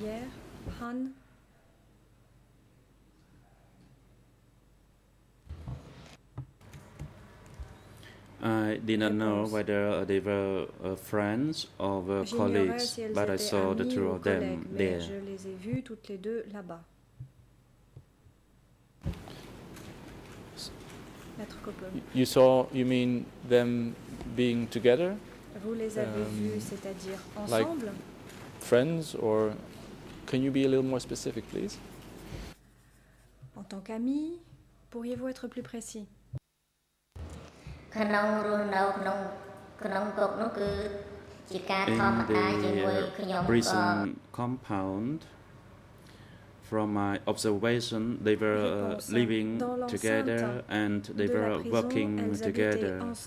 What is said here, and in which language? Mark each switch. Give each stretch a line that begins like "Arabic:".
French: Hier. Han?
English: I did not know whether they were friends or were colleagues, but I saw the two of them there.
French: Je les ai vus toutes les deux là-bas.
English: You saw, you mean them being together?
French: Vous les avez vus, c'est-à-dire ensemble?
English: Like friends, or can you be a little more specific, please?
French: En tant qu'amis, pourriez-vous être plus précis?
English: In the prison compound, from my observation, they were living together and they were working together.